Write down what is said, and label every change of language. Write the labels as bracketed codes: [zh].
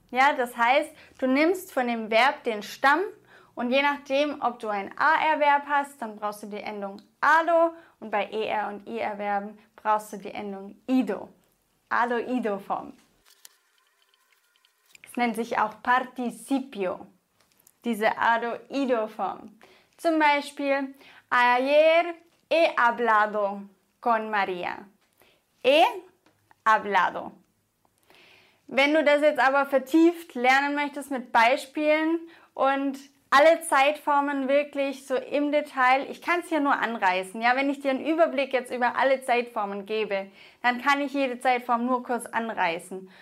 [de] Ja, das heißt, du nimmst von dem Verb den Stamm und je nachdem, ob du ein AR-Verb hast, dann brauchst du die Endung ALO und bei ER- und IR-Verben brauchst du die Endung IDO. ALO-IDO-Form. Es nennt sich auch Participio, diese ALO-IDO-Form. Zum Beispiel, [es] ayer he hablado con María. He hablado. [de] Wenn du das jetzt aber vertieft lernen möchtest mit Beispielen und alle Zeitformen wirklich so im Detail, ich kann es hier nur anreißen. Ja, wenn ich dir einen Überblick jetzt über alle Zeitformen gebe, dann kann ich jede Zeitform nur kurz anreißen.